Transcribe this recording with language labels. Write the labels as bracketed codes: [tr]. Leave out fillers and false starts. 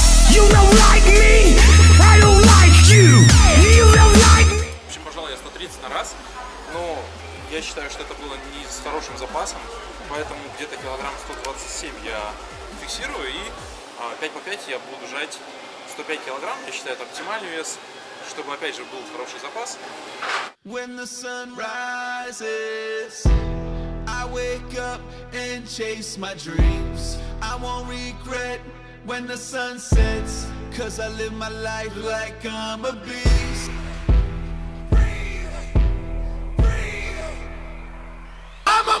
[en] You don't like me, I don't like you, you don't like me. [ru] В общем, пожалуй, я 130 на раз, но я считаю, что это было не с хорошим запасом, поэтому где-то килограмм 127 я фиксирую, и 5 по 5 я буду жать 105 килограмм, я считаю, это оптимальный вес, чтобы опять же был хороший запас. [en] When the sun rises, I wake up and chase my dreams, I won't regret. When the sun sets, 'cause I live my life like I'm a beast. Breathe, breathe. I'm a